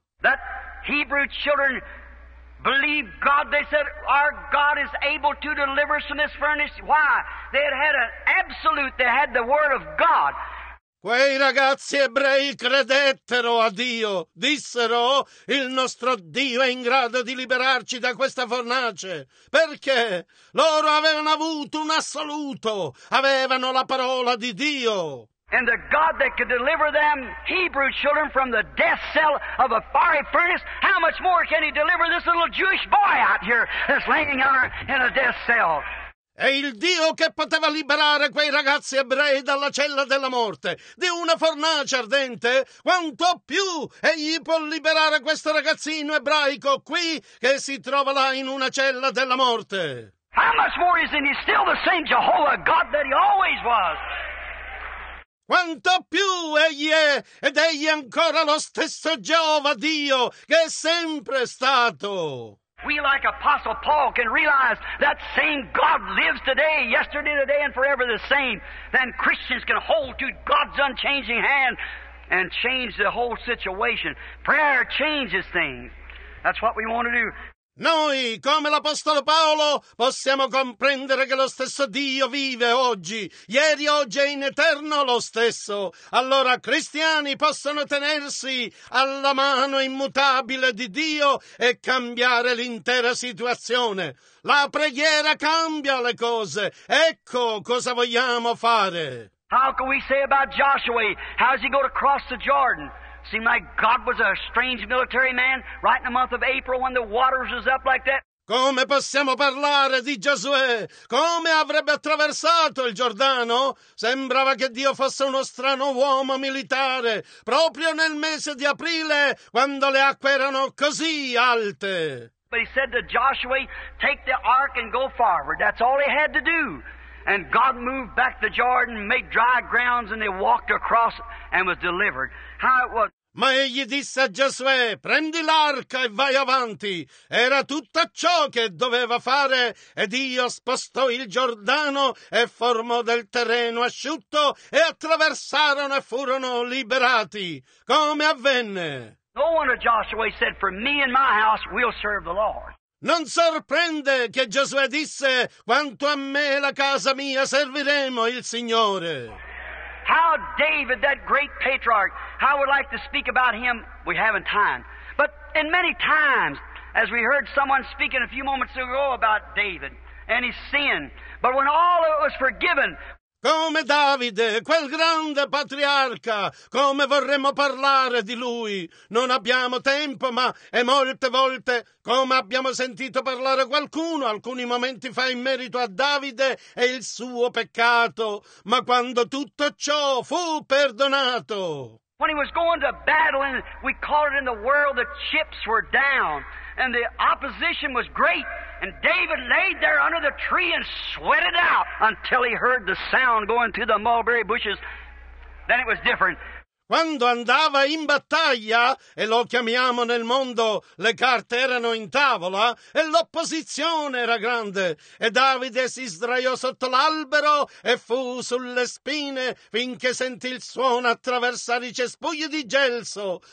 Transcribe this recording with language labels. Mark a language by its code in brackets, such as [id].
[en] That Hebrew children believed God. They said, our God is able to deliver us from this furnace. Why? They had an absolute. They had the word of God. [it] Quei ragazzi ebrei credettero a Dio. Dissero, il nostro Dio è in grado di liberarci da questa fornace. Perché? Loro avevano avuto un assoluto. Avevano la parola di Dio. [en] And the God that could deliver them, Hebrew children, from the death cell of a fiery furnace, how much more can he deliver this little Jewish boy out here that's laying out in a death cell? [it] È il Dio che poteva liberare quei ragazzi ebrei dalla cella della morte, di una fornace ardente? Quanto più egli può liberare questo ragazzino ebraico qui che si trova là in una cella della morte? [en] How much more is he still the same Jehovah God that he always was? [it] Quanto più egli è ed egli è ancora lo stesso Geova Dio che è sempre stato. [en] We like Apostle Paul can realize that same God lives today, yesterday, today, and forever the same. Then Christians can hold to God's unchanging hand and change the whole situation. Prayer changes things. That's what we want to do. [it] Noi, come l'Apostolo Paolo, possiamo comprendere che lo stesso Dio vive oggi, ieri, oggi e in eterno lo stesso. Allora, cristiani possono tenersi alla mano immutabile di Dio e cambiare l'intera situazione. La preghiera cambia le cose. Ecco cosa vogliamo fare. [en] How can we say about Joshua? How is he going to cross the Jordan? Seemed like God was a strange military man right in the month of April when the waters was up like that. [it] Come possiamo parlare di Giosuè? Come avrebbe attraversato il Giordano? Sembrava che Dio fosse uno strano uomo militare proprio nel mese di aprile quando le acque erano così alte. [en] But he said to Joshua, take the ark and go forward. That's all he had to do. And God moved back the Jordan, made dry grounds, and they walked across and was delivered. How it was. [it] Ma egli disse a Giosuè, prendi l'arca e vai avanti. Era tutto ciò che doveva fare, ed Dio spostò il Giordano e formò del terreno asciutto, e attraversarono e furono liberati. Come avvenne? [en] No wonder Joshua said, for me and my house we'll serve the Lord. [it] Non sorprende che Giosuè disse, quanto a me e la casa mia serviremo il Signore. [en] How David, that great patriarch, how would like to speak about him? We haven't time. But in many times, as we heard someone speaking a few moments ago about David and his sin, but when all of it was forgiven. [it] Come Davide, quel grande patriarca, come vorremmo parlare di lui? Non abbiamo tempo, ma è molte volte, come abbiamo sentito parlare qualcuno alcuni momenti fa in merito a Davide e il suo peccato, ma quando tutto ciò fu perdonato. [en] When he was going to battle, and we called it in the world, the chips were down, and the opposition was great. And David laid there under the tree and sweated out until he heard the sound going through the mulberry bushes. Then it was different. [it] Quando andava in battaglia, e lo chiamiamo nel mondo, le carte erano in tavola, e l'opposizione era grande, e Davide si sdraiò sotto l'albero e fu sulle spine finché sentì il suono attraversare i cespugli di gelso.